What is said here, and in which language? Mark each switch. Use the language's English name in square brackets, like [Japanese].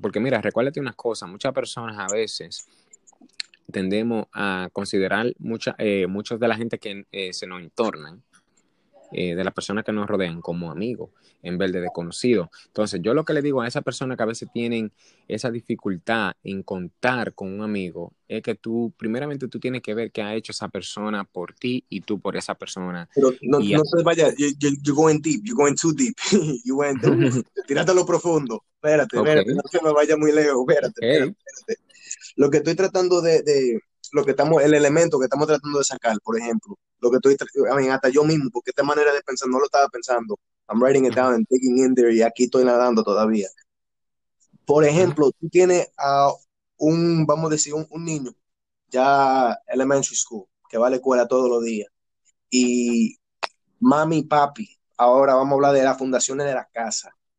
[Spanish] Porque mira, recuérdate una cosa, muchas personas a veces tendemos a considerar muchos de la gente que se nos entornan, de las personas que nos rodean como amigos, en vez de conocidos. Entonces, yo lo que le digo a esa persona que a veces tienen esa dificultad en contar con un amigo, es que tú, primeramente, tú tienes que ver qué ha hecho esa persona por ti y tú por esa persona. Pero no se vaya, [English] you're going deep, you're going too deep. You went too deep. [Spanish] Tírate a lo profundo. Espérate, espérate, okay. No se me vaya muy lejos. Espérate. Lo que estoy tratando de lo que estamos, el elemento que estamos tratando de sacar, por ejemplo, lo que estoy, hasta yo mismo, porque esta manera de pensar no lo estaba pensando. [English] I'm writing it down and digging in there, [Spanish] y aquí estoy nadando todavía. Por ejemplo, tú tienes a un, vamos a decir, un niño, ya elementary school, que va a la escuela todos los días, y mami y papi, ahora vamos a hablar de las fundaciones de la casa.